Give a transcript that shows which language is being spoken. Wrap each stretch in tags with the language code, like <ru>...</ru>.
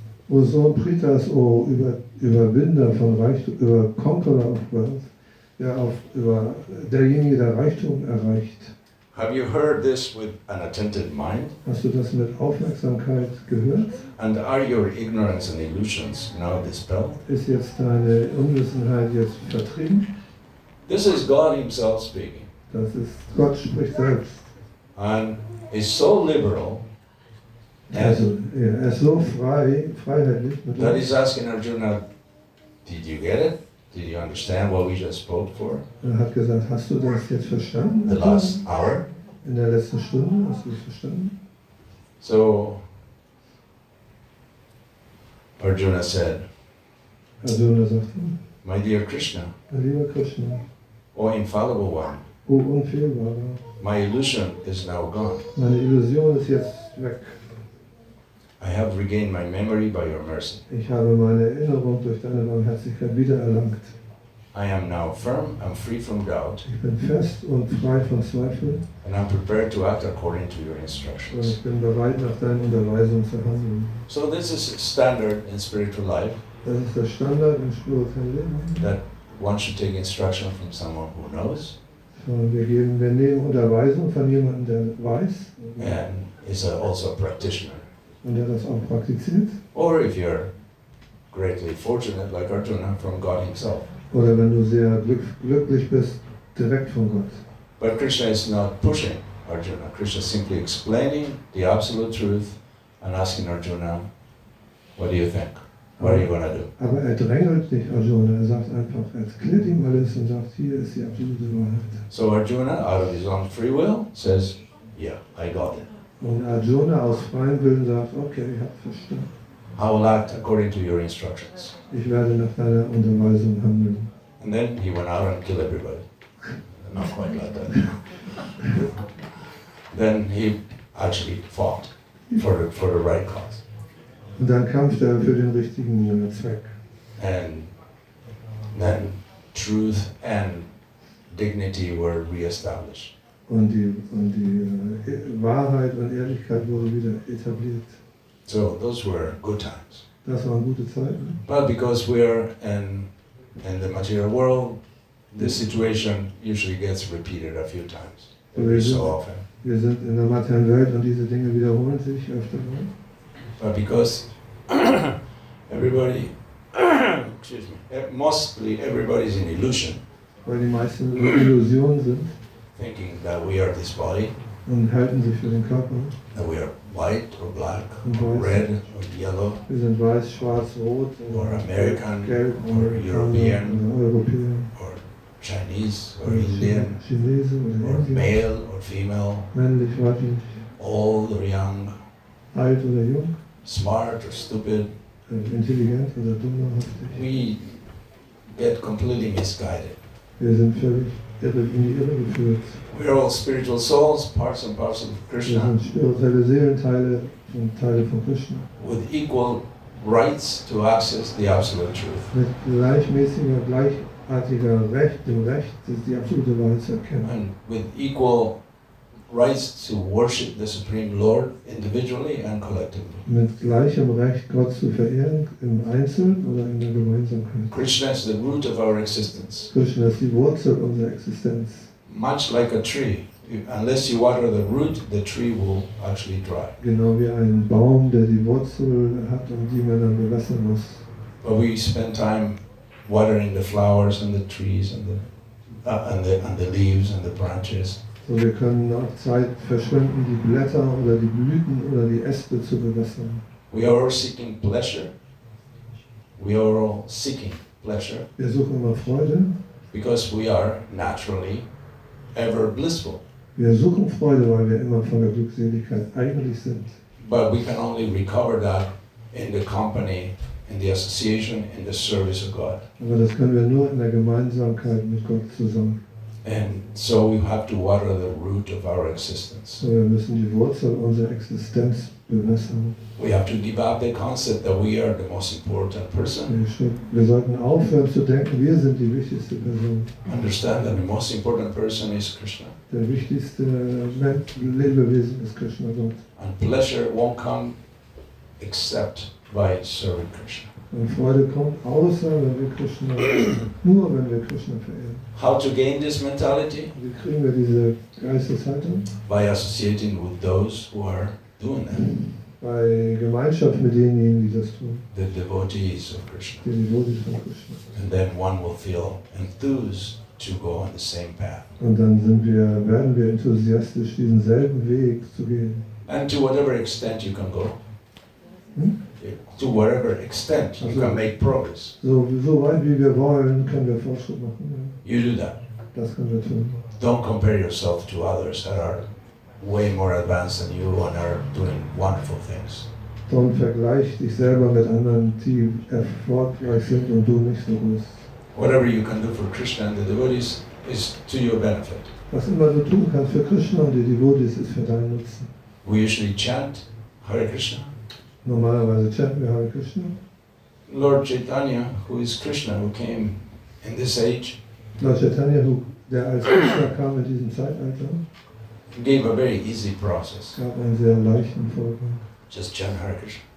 <de>O Sohn Pritas, O Überwinder von Reichtum, über</de> <en>Conqueror of wealth,</en> <de>der auf, über derjenige, der Reichtum erreicht.</de> <en>Have you heard this with an attentive mind?</en> <de>Hast du das mit Aufmerksamkeit gehört?</de> <en>And are your ignorance and illusions now dispelled?</en> <de>Ist jetzt deine Unwissenheit jetzt vertrieben?</de> <en>This is God himself speaking.</en> <de>Das ist Gott spricht selbst.</de> <en>And is so liberal.</en> <de>Also, er ist so frei, freiheitlich.</de> <en>That is asking Arjuna, did you get it? Did you understand what we just spoke for?</en> <de>Er hat gesagt, hast du das jetzt verstanden?</de> <en>The last hour?</en> <de>In der letzten Stunde, hast du es verstanden?</de> <en>So, Arjuna said,</en> <de>Arjuna sagte,</de> <en>my dear Krishna,</en> <de>mein lieber Krishna,</de> <en>O infallible one,</en> <de>O unfehlbarer,</de> <en>my illusion is now gone.</en> <de>Meine Illusion ist jetzt weg.</de> <en>I have regained my memory by your mercy.</en> <de>Ich habe meine Erinnerung durch deine Barmherzigkeit wiedererlangt.</de> <en>I am now firm and free from doubt.</en> <de>Ich bin fest und frei von Zweifel.</de> <en>And I'm prepared to act according to your instructions.</en> <de>Und ich bin bereit, nach deinen Unterweisungen zu handeln.</de> <en>So this is standard in spiritual life.</en> <de>Das ist der Standard im spirituellen Leben.</de> <en>That one should take instruction from someone who knows.</en> <de>Wir nehmen Unterweisung von jemandem, der weiß.</de> <en>And is also a practitioner.</en> <de>Und er das auch praktiziert.</de> <en>Or if you're greatly fortunate, like Arjuna, from God himself.</en> <de>Oder wenn du sehr glücklich bist, direkt von Gott.</de> <en>But Krishna is not pushing Arjuna. Krishna is simply explaining the absolute truth and asking Arjuna, what do you think? What are you going to do?</en> <de>Aber er drängelt nicht Arjuna. Er sagt einfach, er erklärt ihm alles und sagt, hier ist die absolute Wahrheit.</de> <en>So Arjuna, out of his own free will, says, yeah, I got it.</en> <de>Und Arjuna aus freiem Willen sagt, okay, ich habe verstanden.</de> <en>I will act according to your instructions.</en> <de>Ich werde nach deiner Unterweisung handeln.</de> <en>And then he went out and killed everybody. Not quite like that. Then he actually fought for the right cause.</en> <de>Und dann kämpfte er für den richtigen Zweck.</de> <en>And then truth and dignity were reestablished.</en> <de>Und die Wahrheit und Ehrlichkeit wurde wieder etabliert.</de> <en>So, those were good times.</en> <de>Das waren gute Zeiten.</de> <en>But because we are in the material world, this situation usually gets repeated a few times, so often.</en> <de>Wir sind in der materiellen Welt und diese Dinge wiederholen sich öfter mal.</de> <en>But because everybody, excuse me, mostly everybody is in illusion.</en> <de>Weil die meisten in Illusion sind.</de> <en>Thinking that we are this body,</en> <de>und halten sich für den Körper,</de> <en>that we are white or black, or red or yellow,</en> <de>wir sind weiß, schwarz, rot,</de> <en>or American,</en> <de>gelb,</de> <en>or European,</en> <de>Europäer,</de> <en>or Chinese, or Indian,</en> <de>Chinese,</de> <en>or male or female,</en> <de>männlich, weiblich,</de> <en>old or young,</en> <de>alt oder jung,</de> <en>smart or stupid,</en> <de>intelligent oder dumm,</de> <en>we get completely misguided.</en> <de>Wir sind völlig in die Irre geführt.</de> <en>We are all spiritual souls, parts and parts of Krishna.</en> <de>Wir sind spirituelle Seelen, Teile und Teile von Krishna.</de> <en>With equal rights to access the absolute truth.</en> <de>Mit gleichmäßiger, gleichartiger Recht, dem Recht, die absolute Wahrheit zu erkennen.</de> <en>And with equal rights to worship the Supreme Lord individually and collectively.</en> <de>Mit gleichem Recht, Gott zu verehren, im Einzelnen oder in der Gemeinsamkeit.</de> <en>Krishna is the root of our existence.</en> <de>Krishna ist die Wurzel unserer Existenz.</de> <en>Much like a tree. Unless you water the root, the tree will actually dry.</en> <de>Genau wie ein Baum, der die Wurzel hat und die man dann bewässern muss.</de> <en>But we spend time watering the flowers and the trees and the leaves and the branches.</en> <de>So wir können auch Zeit verschwenden, die Blätter oder die Blüten oder die Äste zu bewässern.</de> <en>We are all seeking pleasure. We are all seeking pleasure.</en> <de>Wir suchen immer Freude.</de> <en>Because we are naturally ever blissful.</en> <de>Wir suchen Freude, weil wir immer von der Glückseligkeit eigentlich sind.</de> <en>But we can only recover that in the company, in the association, in the service of God.</en> <de>Aber das können wir nur in der Gemeinsamkeit mit Gott zusammen.</de> <en>And so we have to water the root of our existence.</en> <de>Wir müssen die Wurzel unserer Existenz bewässern.</de> <en>We have to give up the concept that we are the most important person.</en> <de>Wir sollten aufhören zu denken, wir sind die wichtigste Person.</de> <en>Understand that the most important person is Krishna.</en> <de>Der wichtigste Lebewesen ist Krishna Gott.</de> <en>And pleasure won't come except by serving Krishna.</en> <de>Und Freude kommt außer wenn wir Krishna, nur wenn wir Krishna verehren.</de> <en>How to gain this mentality?</en> <de>Wie kriegen wir diese Geisteshaltung?</de> <en>By associating with those who are doing that.</en> <de>Bei Gemeinschaft mit denen, die das tun.</de> <en>The devotees of Krishna.</en> <de>Die Devotees von Krishna.</de> <en>And then one will feel enthused to go on the same path.</en> <de>Und dann werden wir enthusiastisch, diesen selben Weg zu gehen.</de> <en>And to whatever extent you can go. To whatever extent you can make progress.</en> <de>So weit wie wir wollen, können wir Fortschritt machen. Ja.</de> <en>You do that.</en> <de>Das können wir tun.</de> <en>Don't compare yourself to others that are way more advanced than you and are doing wonderful things.</en> <de>Don't vergleich dich selber mit anderen, die erfolgreich sind und du nicht so bist.</de> <en>Whatever you can do for Krishna and the devotees is to your benefit.</en> <de>Was immer du tun kannst für Krishna und die Devotees ist für deinen Nutzen.</de> <en>We usually chant Hare Krishna.</en> <de>Normalerweise chanten wir Hare Krishna.</de> <en>Lord Chaitanya, who is Krishna, who came in this age.</en> <de>Lord Chaitanya, der als Krishna kam in diesem Zeitalter.</de> <en>Gave a very easy process.</en> <de>Gab einen sehr leichten Vorgang.</de> <en>Just chant Hare Krishna.</en>